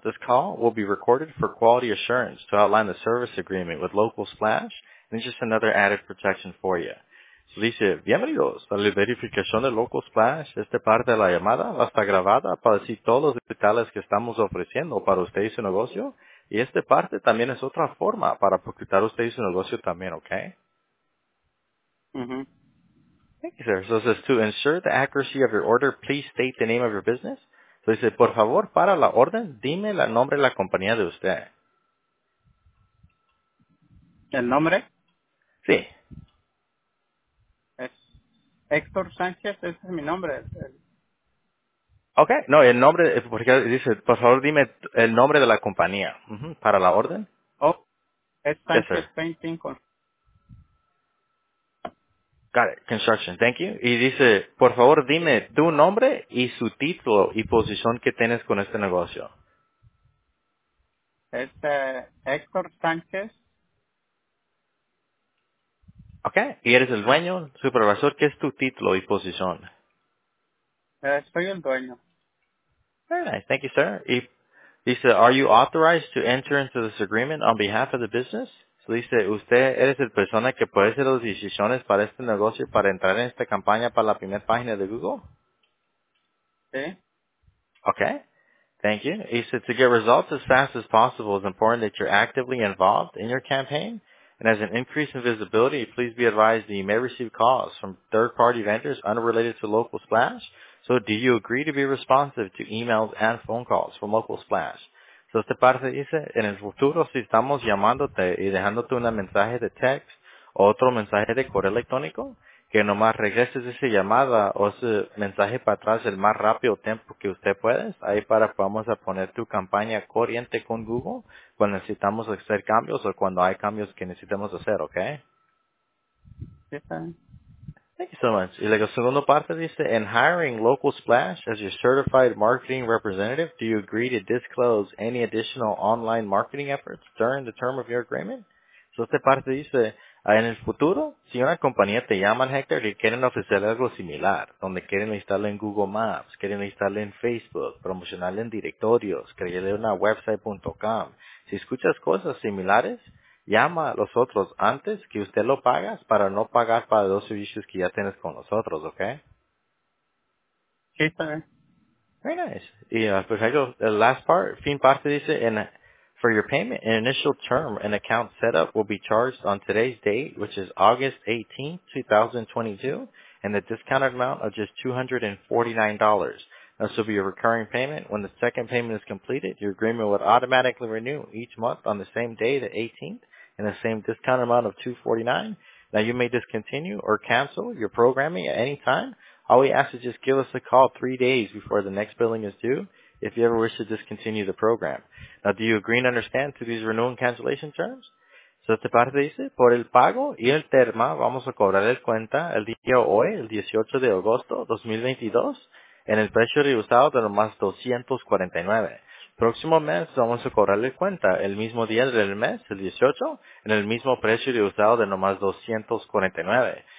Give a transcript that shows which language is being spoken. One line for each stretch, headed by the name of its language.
English: This call will be recorded for quality assurance to outline the service agreement with Local Splash, and it's just another added protection for you. So he said,
Spanish: bienvenidos a la verificación de Local Splash. Esta parte de la llamada va a estar grabada para decir todos los detalles que estamos ofreciendo para usted y su negocio. Y esta parte también es otra forma para proyectar usted y su negocio también, okay? Mm-hmm.
English: Thank you, sir. So it says, to ensure the accuracy of your order, please state the name of your business. So it says,
Spanish: por favor, para la orden, dime el nombre de la compañía de usted. ¿El nombre? Sí. Es Héctor Sánchez, ese es mi nombre. Okay, no, el nombre, porque dice, por favor, dime el nombre de la compañía, para la orden. Oh, es Sánchez, yes, Painting con...
English: Got it. Construction. Thank you.
Spanish: Y dice, por favor, dime tu nombre y su título y posición que tienes con este negocio. Es Héctor Sánchez. Okay. Y eres el dueño, supervisor. ¿Qué es tu título y posición? Soy el dueño.
English: Very nice. Thank you, sir.
Spanish: Y dice,
English: are you authorized to enter into this agreement on behalf of the business?
Spanish: So dice, usted eres el persona que puede hacer las decisiones para este negocio, para entrar en esta campaña para la primera página de Google? Sí.
English: Okay. Thank you. He said, to get results as fast as possible, it's important that you're actively involved in your campaign. And as an increase in visibility, please be advised that you may receive calls from third-party vendors unrelated to Local Splash. So do you agree to be responsive to emails and phone calls from Local Splash?
Spanish: So esta parte dice, en el futuro, si estamos llamándote y dejándote un mensaje de text o otro mensaje de correo electrónico, que nomás regreses esa llamada o ese mensaje para atrás el más rápido tiempo que usted puede, ahí para podamos a poner tu campaña corriente con Google cuando necesitamos hacer cambios o cuando hay cambios que necesitamos hacer, ¿ok? Sí, está bien.
English: Thank you so much.
Spanish: Y la segunda parte dice,
English: in hiring Local Splash as your certified marketing representative, do you agree to disclose any additional online marketing efforts during the term of your agreement?
Spanish: So esta parte dice, en el futuro, si una compañía te llama, Hector, y quieren ofrecerle algo similar, donde quieren instalarle en Google Maps, quieren instalarle en Facebook, promocionarle en directorios, crearle una website.com, si escuchas cosas similares, llama a los otros antes que usted lo pagas para no pagar para los servicios que ya tienes con nosotros, ¿ok? Sí, está bien.
English: Very nice.
Spanish: Y perfecto,
English: the last part,
Spanish: fin parte dice,
English: in, for your payment, an initial term and account setup will be charged on today's date, which is August 18, 2022, and the discounted amount of just $249. This will be a recurring payment. When the second payment is completed, your agreement would automatically renew each month on the same day, the 18th, and the same discount amount of $249. Now, you may discontinue or cancel your programming at any time. All we ask is just give us a call 3 days before the next billing is due if you ever wish to discontinue the program. Now, do you agree and understand to these renewal and cancellation terms?
Spanish: So, esta parte dice, por el pago y el termo, vamos a cobrar el cuenta el día hoy, el 18 de agosto 2022, en el precio reusado de nomás $249. Próximo mes vamos a cobrarle cuenta el mismo día del mes, el 18, en el mismo precio reusado de nomás $249.